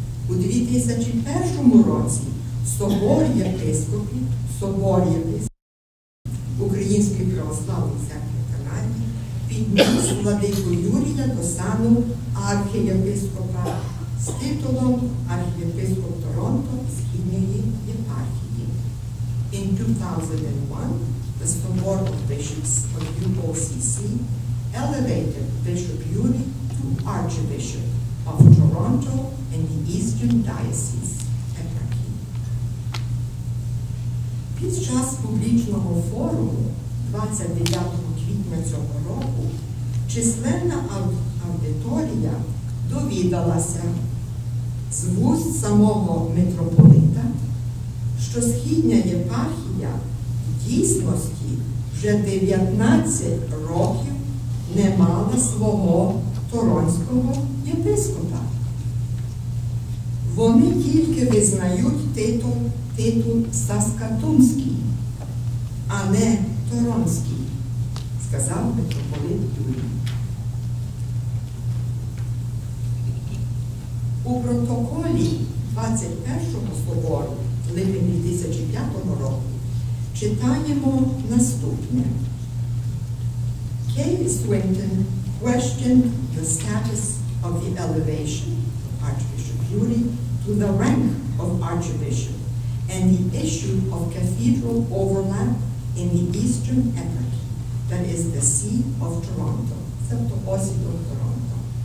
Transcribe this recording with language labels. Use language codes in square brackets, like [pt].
[uk] У 2001 році собор єпископів Української православної церкви в Канаді підніс владику Юрія до сану архієпископа з титулом архієпископ Торонто і Східної єпархії. [en] In 2001, the Собор of Bishops of UOCC elevated Bishop Yuri to Archbishop of Toronto and the Eastern Diocese, Eparchy. [uk] Під час публічного форуму 29 квітня цього року численна аудиторія довідалася з вуст самого митрополита, що Східна єпархія в дійсності вже 19 років не мала свого торонського єпископа. Вони тільки визнають титул Саскатунський, а не Торонський, сказав митрополит Юрій. У протоколі 21-го собору липень 2005 року читаємо наступне. [en] Katie Swinton questioned the status of the elevation of Archbishop Yuri to the rank of Archbishop and the issue of cathedral overlap in the Eastern Eparchy, that is the See of Toronto, Santo Osi of Toronto.